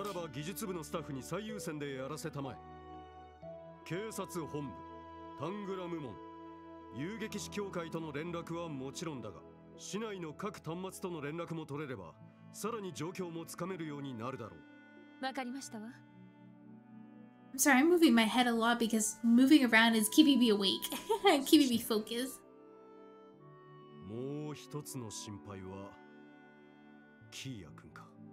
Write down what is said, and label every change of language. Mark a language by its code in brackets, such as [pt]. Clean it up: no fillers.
[ja] ならば技術部のスタッフに最優先でやらせたまえ。警察本部、タングラム門、遊撃士協会との連絡はもちろんだが、市内の各端末との連絡も取れれば、さらに状況もつかめるようになるだろう。わかりましたわ。 [en] I'm sorry, I'm moving my head a lot because moving around is keeping me awake, keeping me focused. [ja] もう一つの心配は、キーヤ君か。